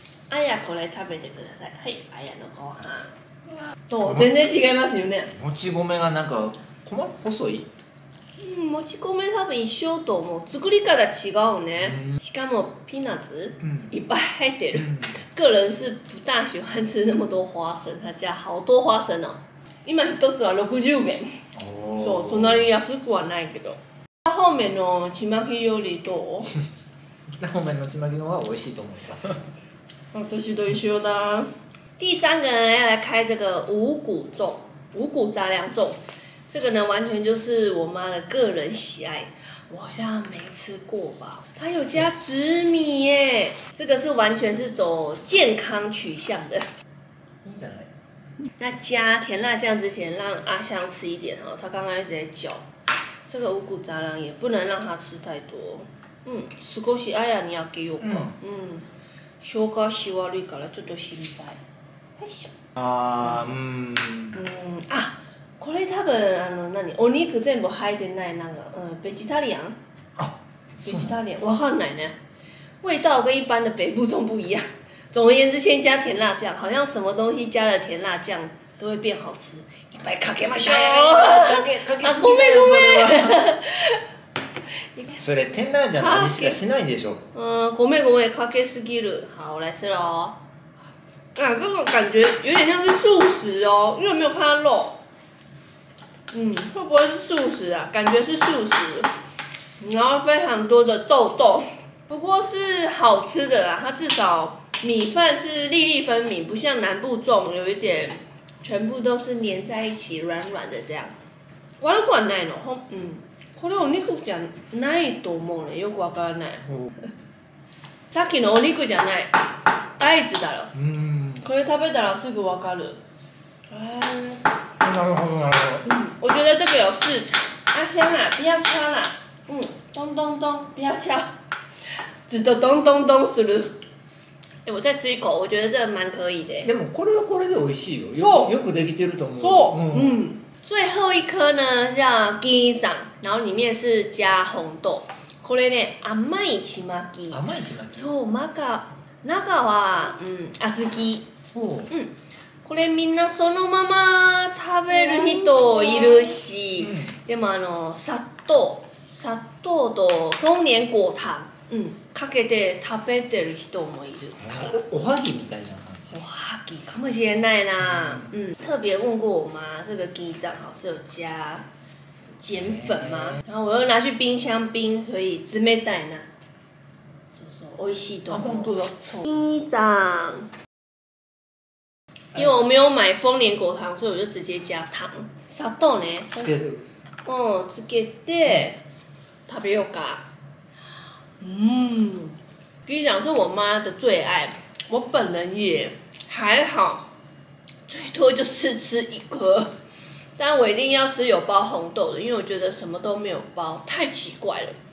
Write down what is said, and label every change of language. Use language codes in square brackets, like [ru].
[ja] あやこれ食べてください。はい、あやのご飯。と全然違いますよね。もち米がなんか細い。うん、もち米多分一緒と思う。作り方違うね。しかもピーナッツいっぱい入ってる。 [zh] 个人是不大喜欢吃那么多花生，他家好多花生哦。 [ja] 今一つは60元。哦。そう、そんなに安くはないけど。后面のちまきよりどう？北方面のちまきの方が美味しいと思います。私と一緒だ。 [zh] 第三个呢要来开这个五谷粽，五谷杂粮粽，这个呢完全就是我妈的个人喜爱，我好像没吃过吧。它有加紫米耶，这个是完全是走健康取向的。那加甜辣酱之前让阿香吃一点，他刚刚一直在嚼这个五谷杂粮，也不能让他吃太多。 [ja] 嗯，少しあやにあげようか。嗯，消化し悪いからちょっと心配。あ、あ、これ多分あの何、お肉全部入ってないなんか、ベジタリアン？あ、ベジタリアン、わかんないね。 [zh] 味道跟一般的北部粽不一样。总而言之，先加甜辣酱，好像什么东西加了甜辣酱都会变好吃。 [ja] 一杯かけましょう。かけすぎだよ、それは。ごめんごめん。それ甜辣酱の味しかしないんでしょ。ごめんごめん、かけすぎる。 [zh] 好，我来吃了哦。啊，这个感觉有点像是素食哦，因为没有看到肉。嗯，会不会是素食啊？感觉是素食，然后非常多的豆豆，不过是好吃的啦。它至少米饭是粒粒分明，不像南部粽有一点全部都是黏在一起，软软的这样。我都管奶了，嗯，可能你肉酱奶多么呢？又刮干奶。 [ja] さっきのお肉じゃない。大豆だろ。うん。これ食べたらすぐわかる。へえ。なるほどなるほど。 [zh] 嗯，我觉得这个有市场。阿香啊，不要敲啦。嗯，咚咚咚，不要敲。只得咚咚咚する。哎，我再吃一口，我觉得这个蛮可以的。 [ja] でもこれはこれで美味しいよ。よ、よくできてると思う。そう。嗯。 [zh] 最后一颗呢叫鸡掌，然后里面是加红豆。 [ja] これね、甘いちまき。甘いちまき。そう、マカ。中は、小豆。ほう。これみんなそのまま食べる人いるし、でもあの、砂糖と枫蓮果糖、かけて食べてる人もいる。おはぎみたいな感じ。おはぎかもしれないな。 [zh] 特別問過我媽、這個雞掌好像有加碱粉吗？然后我又拿去冰箱冰，所以只没带呢。 [ja] そうそう、美味しいと思う。あ、本当だ。そう。鸡掌。 [zh] 因为我没有买枫蓮果糖，所以我就直接加糖。 [ja] 砂糖ね。つける。うん、つけて食べようか。 [zh] 嗯，鸡掌是我妈的最爱，我本人也还好，最多就是吃一颗。但我一定要吃有包红豆的，因为我觉得什么都没有包太奇怪了。